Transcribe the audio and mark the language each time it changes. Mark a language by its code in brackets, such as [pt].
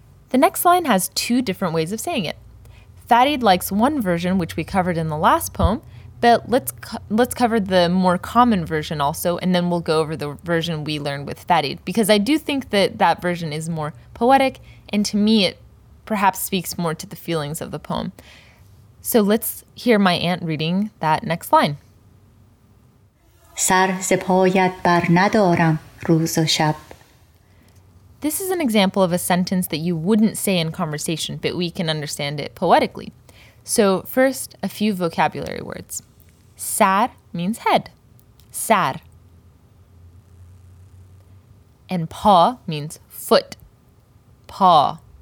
[en] The next line has two different ways of saying it. Farid likes one version, which we covered in the last poem, but let's cover the more common version also, and then we'll go over the version we learned with Farid, because I do think that that version is more poetic, and to me, it perhaps speaks more to the feelings of the poem. So let's hear my aunt reading that next line. [fa] سر زپایت بر ندارم روز و شب. [en] This is an example of a sentence that you wouldn't say in conversation, but we can understand it poetically. So first, a few vocabulary words. Sar means head. Sar. And paw means foot. Paw.